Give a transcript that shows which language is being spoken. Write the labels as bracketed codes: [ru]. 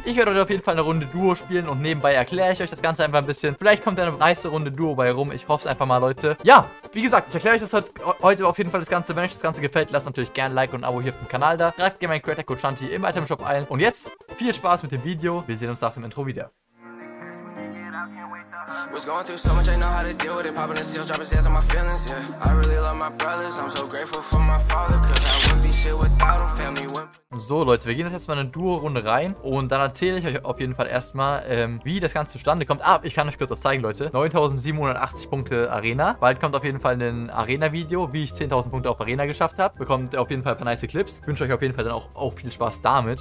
[de] Ich werde heute auf jeden Fall eine Runde Duo spielen und nebenbei erkläre ich euch das Ganze einfach ein bisschen. Vielleicht kommt eine nice Runde Duo bei rum, ich hoffe es einfach mal, Leute. Ja, wie gesagt, ich erkläre euch das heute auf jeden Fall das Ganze. Wenn euch das Ganze gefällt, lasst natürlich gerne ein Like und ein Abo hier auf dem Kanal da. Tragt gerne meinen Creator Code Shanti im Item Shop ein. Und jetzt viel Spaß mit dem Video. Wir sehen uns nach dem Intro wieder. [en] Was going through so much, I know how to deal with it. Popping the seals, dropping sales on my feelings, yeah. I really love my brothers, I'm so grateful for my father, cause I wouldn't be shit without him, family wouldn't. [de] So, Leute, wir gehen jetzt mal eine Duo-Runde rein und dann erzähle ich euch auf jeden Fall erstmal, wie das Ganze zustande kommt. Ah, ich kann euch kurz was zeigen, Leute. 9780 Punkte Arena. Bald kommt auf jeden Fall ein Arena-Video, wie ich 10.000 Punkte auf Arena geschafft habe. Bekommt auf jeden Fall ein paar nice Clips. Ich wünsche euch auf jeden Fall dann auch viel Spaß damit.